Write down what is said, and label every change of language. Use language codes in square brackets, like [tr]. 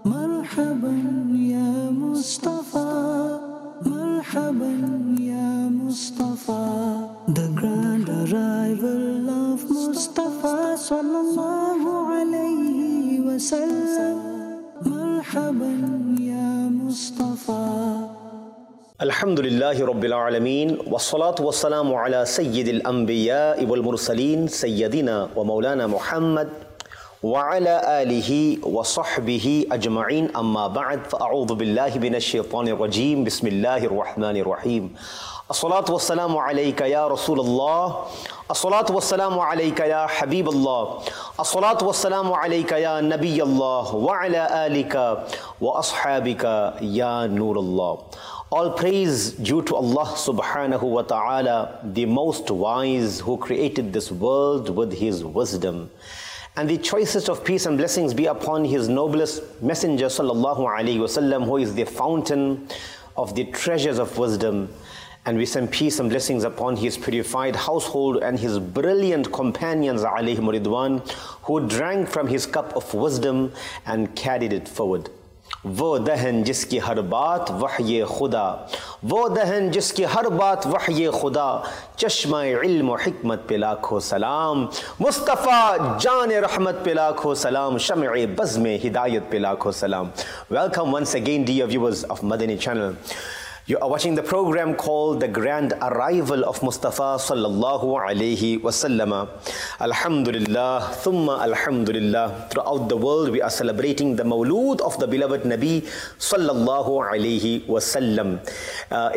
[ar] مرحبا يا مصطفى, مرحبا يا مصطفى, [en] the grand arrival of [ar] مصطفى صلى الله عليه وسلم, مرحبا يا مصطفى. الحمد لله رب العالمين والصلاة والسلام على سيد الأنبياء والمرسلين سيدنا ومولانا محمد وعلى آله وصحبه أجمعين, أما بعد, فأعوذ بالله من الشيطان الرجيم, بسم الله الرحمن الرحيم. الصلاة والسلام عليك يا رسول الله, الصلاة والسلام عليك يا حبيب الله, الصلاة والسلام عليك يا نبي الله وعلى آلك وأصحابك يا نور الله. [en] All praise due to Allah subhanahu wa ta'ala, the most wise, who created this world with his wisdom. And the choicest of peace and blessings be upon his noblest messenger sallallahu alayhi wa sallam, who is the fountain of the treasures of wisdom. And we send peace and blessings upon his purified household and his brilliant companions alayhi muridwan, who drank from his cup of wisdom and carried it forward. [ur] وہ دہن جس کی ہر بات وحی خدا, وہ دہن جس کی ہر بات وحی خدا, چشمہ علم و حکمت پہ لاکھ ہو سلام, مصطفیٰ جان رحمت پہ لاکھ ہو سلام, شمع بزم ہدایت پہ لاکھ ہو سلام. [en] Welcome once again dear viewers of Madani channel. You are watching the program called The Grand Arrival of Mustafa sallallahu alayhi wa sallam. Alhamdulillah, thumma alhamdulillah. Throughout the world we are celebrating the maulud of the beloved Nabi sallallahu alayhi wa sallam.